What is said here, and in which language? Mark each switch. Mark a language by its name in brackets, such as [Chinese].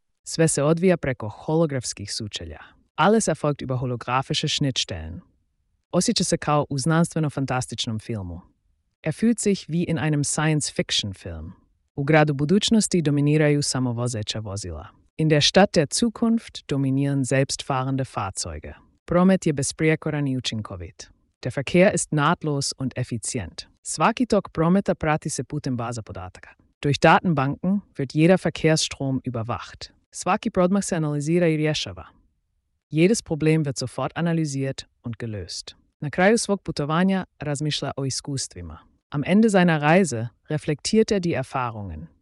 [Croatian] Sve se odvija preko holografskih sučelja. [German] Alles erfolgt über holographische Schnittstellen. [Croatian] Osjeća se kao u znanstveno-fantastičnom filmu. [German] Er fühlt sich wie in einem Science-Fiction-Film. [Croatian] U gradu budućnosti dominiraju samovozeća vozila. [German] In der Stadt der Zukunft dominieren selbstfahrende Fahrzeuge. [Croatian] Promet je besprijekoran i učinkovit. [German] Der Verkehr ist nahtlos und effizient. [Croatian] Svaki tok prometa prati se putem baza podataka. [German] Durch Datenbanken wird jeder Verkehrsstrom überwacht. [Croatian] Svaki prodmak se analizira i rješava. [German] Jedes Problem wird sofort analysiert und gelöst. [Croatian] Na kraju svog putovanja razmišlja o iskustvima. [German] Am Ende seiner Reise reflektiert er die Erfahrungen.